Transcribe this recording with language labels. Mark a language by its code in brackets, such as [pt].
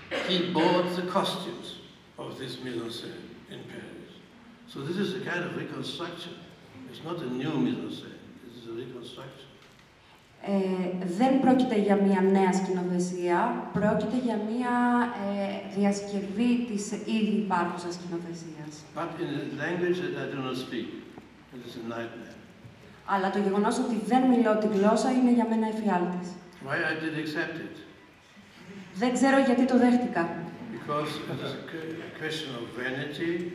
[en] He bought the costumes of this mise-en-scene in Paris. So this is a kind of reconstruction. It's not a new mise-en-scene. This is a reconstruction. [el] Δεν πρόκειται για μια νέα σκηνοθεσία. Πρόκειται για μια διασκευή της ήδη υπάρχουσας σκηνοθεσίας. [en] But in a language that I do not speak, it is a nightmare. [el] Αλλά το γεγονός ότι δεν μιλώ τη γλώσσα είναι για μένα εφιάλτης. [en] Why I did accept it? [el] Δεν ξέρω γιατί το δέχτηκα. [en] Because it is a question of vanity.